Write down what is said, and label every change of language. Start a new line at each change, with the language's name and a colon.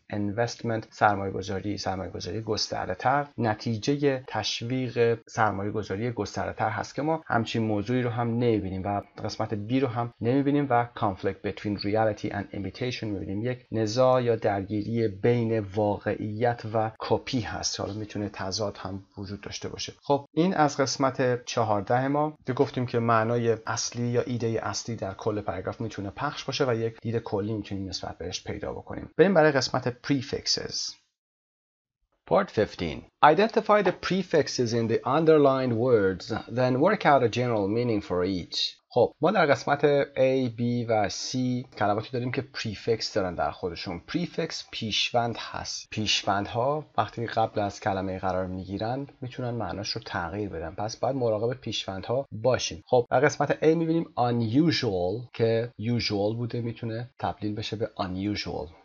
Persian: investment سرمایه گذاری، سرمایه گذاری گسترده تر، نتیجه تشویق سرمایه گذاری گسترده تر هست که ما همچین موضوعی رو هم نمیبینیم و قسمت B رو هم نمیبینیم و
English: conflict between reality and imitation
Persian: میبینیم، یک نزاع یا درگیری بین واقعیت و کپی هست، حالا میتونه تضاد هم وجود داشته باشه. خب این از قسمت 14 ما که گفتیم که معنای اصلی یا ایده اصلی در کل پاراگراف میتونه پخش باشه و یک دید کلی میتونیم نسبت بهش پیدا بکنیم. بریم برای قسمت prefixes.
English: Part 15. Identify the prefixes in the underlined words, then work out a general meaning for each.
Persian: خب ما در قسمت A, B و C کلماتی داریم که prefix دارن در خودشون. prefix پیشوند هست. پیشوندها وقتی قبل از کلمه قرار میگیرن میتونن معناش رو تغییر بدن. پس باید مراقب پیشوندها باشیم. خب در قسمت A میبینیم unusual که usual بوده میتونه تبدیل بشه به unusual.